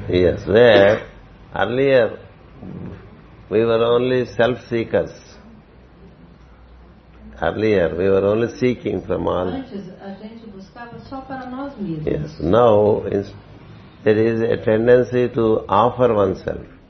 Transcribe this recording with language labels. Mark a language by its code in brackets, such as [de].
[en] Yes, where earlier we were only self-seekers. Earlier we were only seeking from all. [pt] Antes a gente buscava só para nós mesmos. [en] Yes, now there is a tendency to offer oneself.